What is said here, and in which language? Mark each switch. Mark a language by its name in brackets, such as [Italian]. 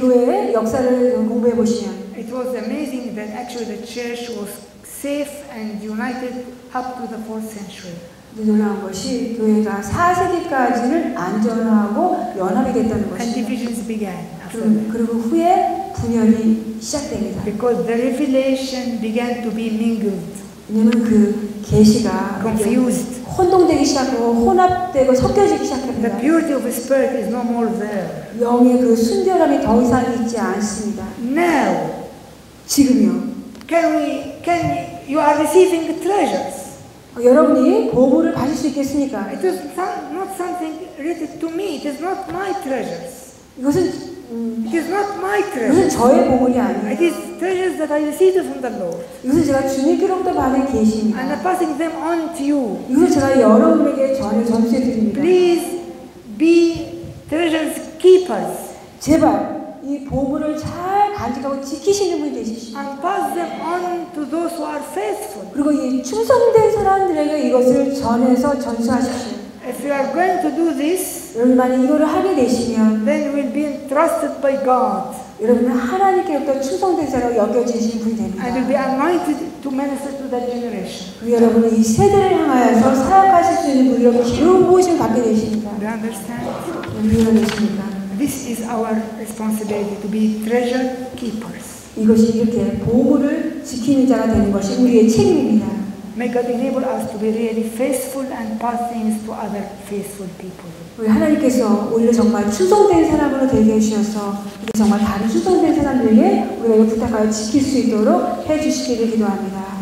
[Korean] 교회의 역사를 공부해 보시면 [English] it was amazing that actually the church was safe and united up to the 4th century. [Korean] 놀라운 것이 교회가 4세기까지는 안전하고 연합이 됐다는 것이에요. [English] And divisions began. [Korean] 그리고 후에 분열이 시작됩니다. [English] Because the revelation began to be mingled. [Korean] 왜냐면 그 계시가 [English] confused. [Korean] 혼동되기 시작하고 혼합되고 섞여지기 시작합니다. [English] The beauty of the spirit is no more there. [Korean] 영의 그 순결함이 더 이상 있지 않습니다. [English] Now, [Korean] 지금요. [English] Can you are receiving the treasures? [Korean] 여러분이 보물을 받을 수 있겠습니까? [English] It is not something related to me. It is not my treasures. [Korean] 이것은 [English] It is not my treasure. [Korean] 저의 보물이 아니에요. [English] It is treasures that I received from the Lord. [Korean] 이것은 제가 주님께로부터 받은 계시입니다. [English] And I'm passing them on to you. [Korean] 이것은 제가 여러분에게 전해 전수해 드립니다. [English] Please be treasures keepers. [Korean] 제발 이 보물을 잘 간직하고 지키시는 분이 되십시오. [English] And pass them on to those who are faithful. [Korean] 그리고 이 충성된 사람들에게 이것을 전해서 전수하십시오. [English] If you are going to do this, [Korean] 여러분만이 이거를 하게 되시면, [English] then you will be trusted by God. [Korean] 여러분은 하나님께로부터 충성된 자로 여겨지신 분이 됩니다. [English] And you will be anointed to minister to that generation. [Korean] 여러분은 이 세대를 향하여서 사역하실 수 있는 분이라고 기름 부으심 받게 되십니다. [English] Do you understand? [Korean] 이해하십니까? [English] This is our responsibility to be treasure keepers. [Korean] 이것이 이렇게 보물을 지키는 자가 되는 것이 우리의 책임입니다. [English] May God enable us to be really faithful and pass things to other faithful people. [Korean] 우리 하나님께서 우리를 정말 충성된 사람으로 되게 해주셔서 우리 정말 다른 충성된 사람들에게 우리가 이 부탁하여 지킬 수 있도록 해주시기를 기도합니다.